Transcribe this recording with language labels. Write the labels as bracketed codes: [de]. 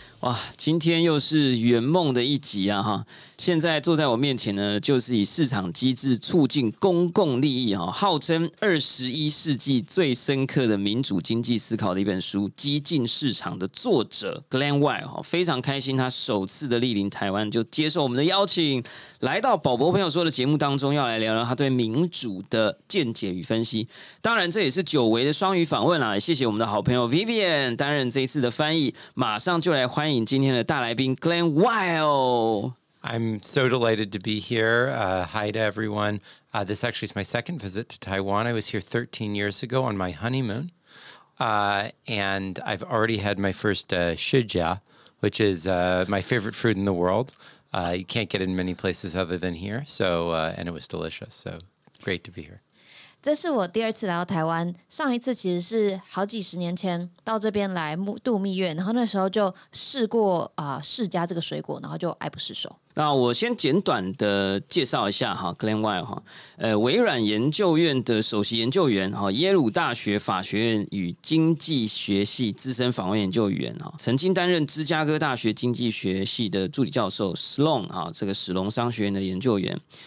[zh] 哇，今天又是圆梦的一集啊哈！现在坐在我面前呢，就是以市场机制促进公共利益哈，号称21世纪最深刻的民主经济思考的一本书《激进市场》的作者 Glenn White 哈，非常开心他首次的莅临台湾，就接受我们的邀请，来到宝博朋友说的节目当中，要来聊聊他对民主的见解与分析。当然，这也是久违的双语访问啦，谢谢我们的好朋友 Vivian 担任这一次的翻译，马上就来欢迎。欢迎今天的大来宾 Glenn Wild。 [en] I'm so delighted to be here. Hi to everyone. This actually is my second visit to Taiwan. I was here 13 years ago on my honeymoon, and I've already had my first shijia, which is my favorite fruit in the world. You can't get in many places other than here. So, and it was delicious. So great to be here. [zh] 这是我第二次来到台湾，上一次其实是好几十年前到这边来度蜜月，然后那时候就试过释迦这个水果，然后就爱不释手。那我先简短的介绍一下哈 ，Glenn White 哈，微软研究院的首席研究员哈，耶鲁大学法学院与经济学系资深访问研究员哈，曾经担任芝加哥大学经济学系的助理教授 Sloan 哈，这个史隆商学院的研究员，